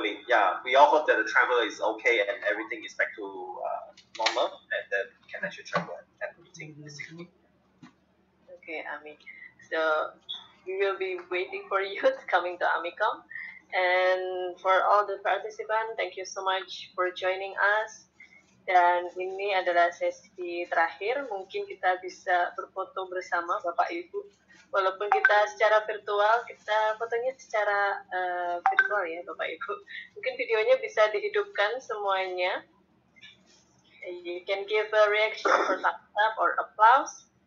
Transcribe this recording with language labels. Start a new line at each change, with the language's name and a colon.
English: Yeah, we all hope that the travel is okay and everything is back to normal, and then we can actually travel at meeting this evening. Okay, Ami. So we will be waiting for you to coming to Amikom. And for all the participants, thank you so much for joining us.
Indonesian: Dan ini adalah sesi terakhir, mungkin kita bisa berfoto bersama Bapak Ibu. Walaupun kita secara virtual, kita fotonya secara virtual ya Bapak Ibu. Mungkin videonya bisa dihidupkan semuanya.
English: You can give a reaction for thumbs up or applause.